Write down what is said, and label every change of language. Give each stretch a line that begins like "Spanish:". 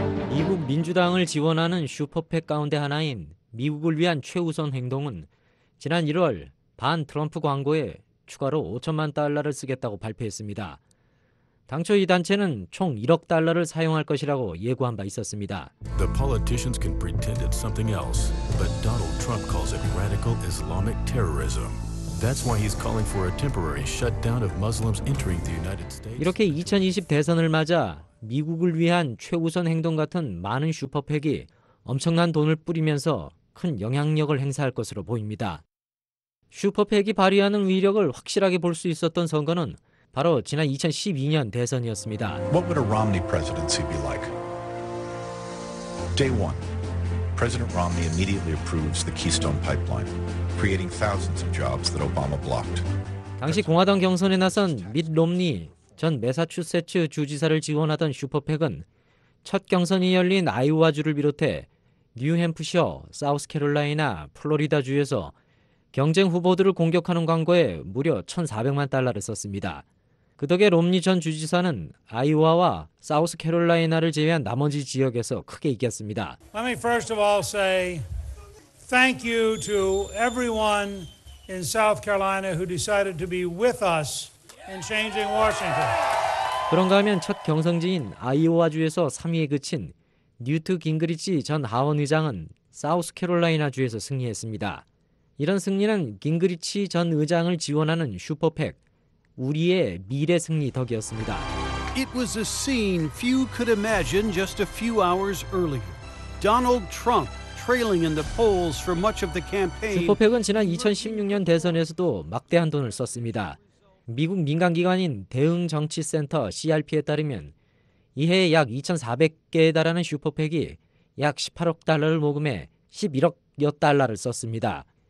Korean: 미국 민주당을 지원하는 슈퍼팩 가운데 하나인 미국을 위한 최우선 행동은 지난 1월 반 트럼프 광고에 추가로 5천만 달러를 쓰겠다고 발표했습니다. 당초 이 단체는 총 1억 달러를 사용할 것이라고 예고한 바 있었습니다.
English: The politicians can pretend it's something else, but Donald Trump calls it radical Islamic terrorism. That's why he's calling for a temporary shutdown of Muslims entering the United States.
Korean: 이렇게 2020 대선을 맞아 미국을 위한 최우선 행동 같은 많은 슈퍼팩이 엄청난 돈을 뿌리면서 큰 영향력을 행사할 것으로 보입니다. 슈퍼팩이 발휘하는 위력을 확실하게 볼 수 있었던 선거는 바로 지난 2012년 대선이었습니다.
English: What would a Romney presidency be like? Day one, President Romney immediately approves the Keystone Pipeline, creating thousands of jobs that Obama blocked.
Korean: 당시 공화당 경선에 나선 밋 롬니 전 매사추세츠 주지사를 지원하던 슈퍼팩은 첫 경선이 열린 아이오와주를 비롯해 뉴햄프셔, 사우스캐롤라이나, 플로리다주에서 경쟁 후보들을 공격하는 광고에 무려 1,400만 달러를 썼습니다. 그 덕에 롬니 전 주지사는 아이오와와 사우스캐롤라이나를 제외한 나머지 지역에서 크게 이겼습니다.
English: Let me first of all say thank you to everyone in South Carolina who decided to be with us in changing Washington.
Korean: 그런가 하면 첫 경선지인 아이오와주에서 3위에 그친 뉴트 깅그리치 전 하원의장은 사우스캐롤라이나주에서 승리했습니다. 이런 승리는 깅그리치 전 의장을 지원하는 슈퍼팩 우리의 미래 승리 덕이었습니다.
English: It was a scene few could imagine just a few hours earlier. Donald Trump trailing in the polls for much of the campaign.
Korean: 슈퍼팩은 지난 2016년 대선에서도 막대한 돈을 썼습니다. 미국 민간기관인 대응정치센터 CRP에 따르면 이해 약 2,400개에 달하는 슈퍼팩이 약 18억 달러를 모금해 11억여 달러를 썼습니다.